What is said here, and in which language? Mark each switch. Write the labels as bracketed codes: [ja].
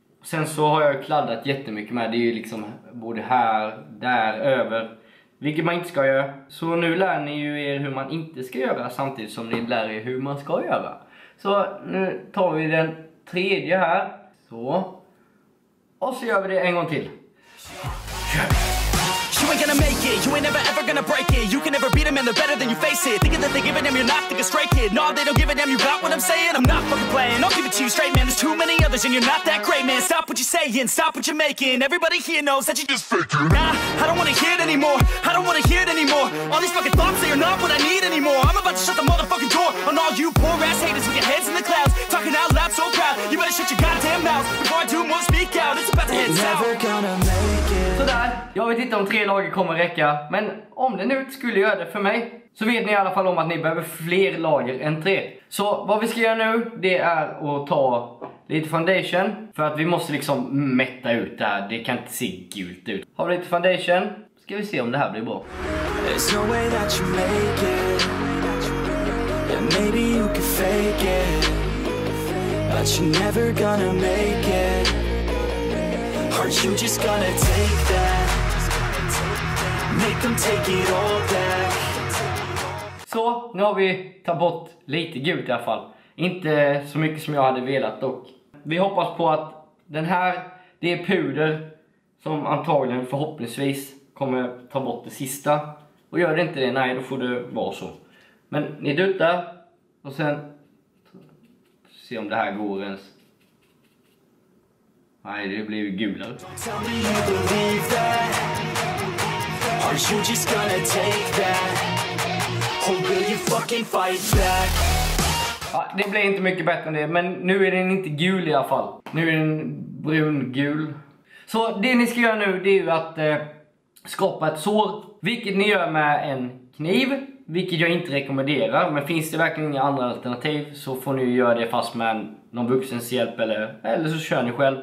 [sv] Sen så har jag kladdat jättemycket med, det är ju liksom både här, där, över. Vilket man inte ska göra. Så nu lär ni ju er hur man inte ska göra samtidigt som ni lär er hur man ska göra. Så nu tar vi den tredje här, så. Och så gör vi det en gång till. Kör! [en] gonna make it. You ain't never ever gonna break it. You can never beat them and they're better than you face it. Thinking that they give a damn, you're not thinking straight, kid. No, they don't give a damn, you got what I'm saying? I'm not fucking playing, I'll give it to you straight, man. There's too many others and you're not that great, man. Stop what you're saying, stop what you're making. Everybody here knows that you're just faking. Nah, I don't wanna hear it anymore. I don't wanna hear it anymore. All these fucking thoughts, they are not what I need anymore. I'm about to shut the motherfucking door on all you poor ass haters with your heads in the clouds, talking out loud so proud. You better shut your goddamn mouth before I do more, speak out. It's about to head south. [sv] Sådär, jag vet inte om tre lager kommer räcka, men om det nu skulle göra det för mig, så vet ni i alla fall om att ni behöver fler lager än tre. Så vad vi ska göra nu, det är att ta lite foundation, för att vi måste liksom mätta ut det här. Det kan inte se gult ut. Har vi lite foundation, ska vi se om det här blir bra. [en] There's no way that you make it. Yeah, maybe you can fake it, but you're never gonna make it. Aren't you just gonna take that? Make them take it all back. [sv] Så, nu har vi tagit bort lite gult i alla fall. Inte så mycket som jag hade velat dock. Vi hoppas på att den här, det är puder som antagligen förhoppningsvis kommer ta bort det sista. Och gör det inte det, nej, då får det vara så. Men ni duttar och sen se om det här går ens. Nej, det blir ju gulare. [en] Tell me you believe that. Are you just gonna take that? Or will you fucking fight back? [sv] Ja, det blir inte mycket bättre än det, men nu är den inte gul i alla fall. Nu är den brun-gul. Så det ni ska göra nu, det är ju att skapa ett sår. Vilket ni gör med en kniv, vilket jag inte rekommenderar. Men finns det verkligen inga andra alternativ, så får ni ju göra det fast med någon vuxens hjälp eller så kör ni själv.